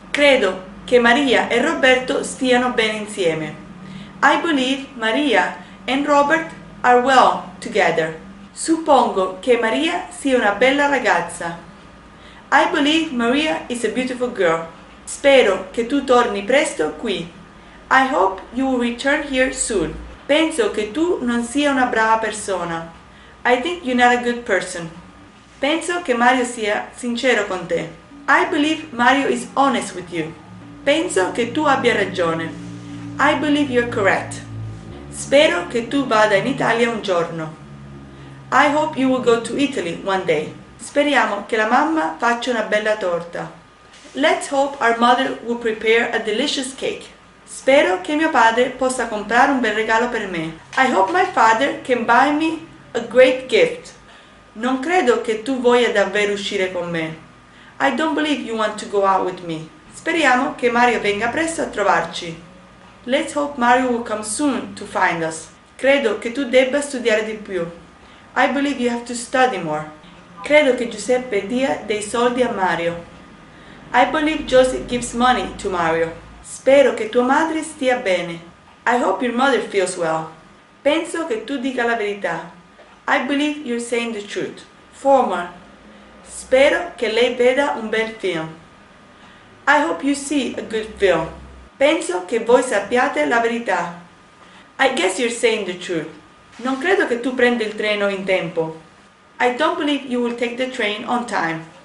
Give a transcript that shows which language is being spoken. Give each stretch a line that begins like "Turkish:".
Italian: Credo che Maria e Roberto stiano bene insieme.
English: I believe Maria and Robert are well together.
Italian: Suppongo che Maria sia una bella ragazza.
English: I believe Maria is a beautiful girl.
Italian: Spero che tu torni presto qui.
English: I hope you will return here soon.
Italian: Penso che tu non sia una brava persona.
English: I think you're not a good person.
Italian: Penso che Mario sia sincero con te.
English: I believe Mario is honest with you.
Italian: Penso che tu abbia ragione.
English: I believe you're correct.
Italian: Spero che tu vada in Italia un giorno.
English: I hope you will go to Italy one day.
Italian: Speriamo che la mamma faccia una bella torta.
English: Let's hope our mother will prepare a delicious cake.
Italian: Spero che mio padre possa comprare un bel regalo per me.
English: I hope my father can buy me a great gift.
Italian: Non credo che tu voglia davvero uscire con me.
English: I don't believe you want to go out with me.
Italian: Speriamo che Mario venga presto a trovarci.
English: Let's hope Mario will come soon to find us.
Italian: Credo che tu debba studiare di più.
English: I believe you have to study more.
Italian: Credo che Giuseppe dia dei soldi a Mario.
English: I believe Joseph gives money to Mario.
Italian: Spero che tua madre stia bene.
English: I hope your mother feels well.
Italian: Penso che tu dica la verità.
English: I believe you're saying the truth.
Italian: Forma. Spero che lei veda un bel film.
English: I hope you see a good film.
Italian: Penso che voi sappiate la verità.
English: I guess you're saying the truth.
Italian: Non credo che tu prenda il treno in tempo.
English: I don't believe you will take the train on time.